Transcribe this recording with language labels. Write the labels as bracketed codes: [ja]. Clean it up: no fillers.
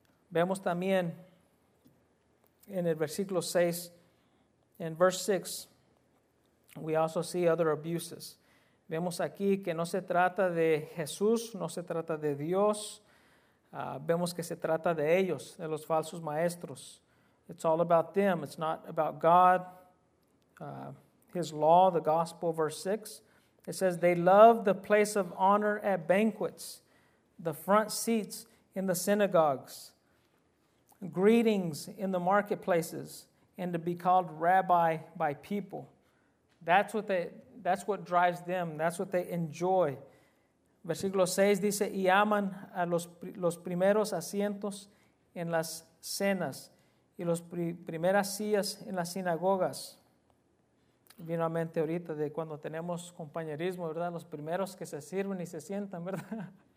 [es] Vemos también en el versículo 6, en [en] verse 6, we also see other abuses. [es] Vemos aquí que no se trata de Jesús, no se trata de Dios. Vemos que se trata de ellos, de los falsos maestros. [en] It's all about them. It's not about God, His law, the gospel, verse 6. It says, they love the place of honor at banquets, the front seats in the synagogues, greetings in the marketplaces, and to be called rabbi by people. That's what drives them. That's what they enjoy. [es] Versículo 6 dice, y aman a los primeros asientos en las cenas y las primeras sillas en las sinagogas. Vino a mente ahorita de cuando tenemos compañerismo, ¿verdad? Los primeros que se sirven y se sientan, ¿verdad?